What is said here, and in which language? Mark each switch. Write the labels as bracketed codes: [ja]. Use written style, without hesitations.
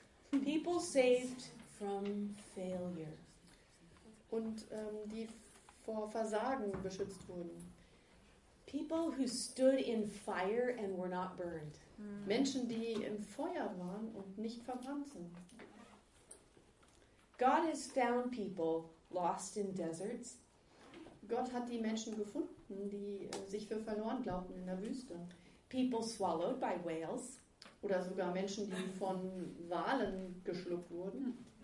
[en] People saved from failure. [de] Und die vor Versagen beschützt wurden. [en] People who stood in fire and were not burned. [de] Menschen, die im Feuer waren und nicht verbrannt sind. [en] God has found people lost in deserts. [de] Gott hat die Menschen gefunden, die sich für verloren glaubten in der Wüste. [en] People swallowed by whales. [de] Oder sogar Menschen, die von Walen geschluckt wurden.